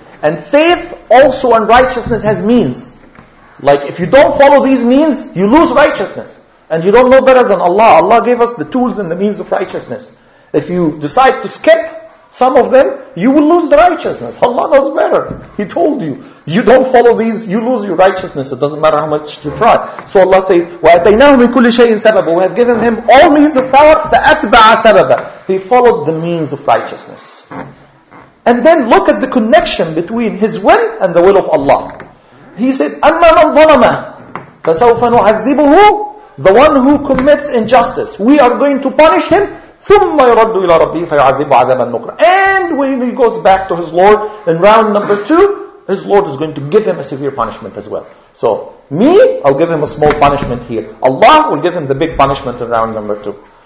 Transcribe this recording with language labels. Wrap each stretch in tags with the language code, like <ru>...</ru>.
<en>And faith also and righteousness has means. Like if you don't follow these means, you lose righteousness. And you don't know better than Allah. Allah gave us the tools and the means of righteousness. If you decide to skip some of them, you will lose the righteousness. Allah knows better. He told you. You don't follow these, you lose your righteousness. It doesn't matter how much you try. So Allah says,</en> <ar>وَأَتَيْنَاهُ مِنْ كُلِّ شَيْءٍ سَبَبًا.</ar> <en>We have given him all means of power,</en> <ar>فَأَتْبَعَ سَبَبًا.</ar> <en>He followed the means of righteousness. And then look at the connection between his will and the will of Allah. He said,</en> <ar>أَمَّا مَنْ ظَلَمَا فَسَوْفَ نُعَذِّبُهُ.</ar> <en>The one who commits injustice, we are going to punish him.</en> <ar>ثُمَّ يَرَدُّ إِلَىٰ رَبِّهِ فَيَعَذِّبُ عَذَبًا نُكْرًا.</ar> <en>And when he goes back to his Lord, in round number two, his Lord is going to give him a severe punishment as well. So, me, I'll give him a small punishment here. Allah will give him the big punishment in round number two.</en>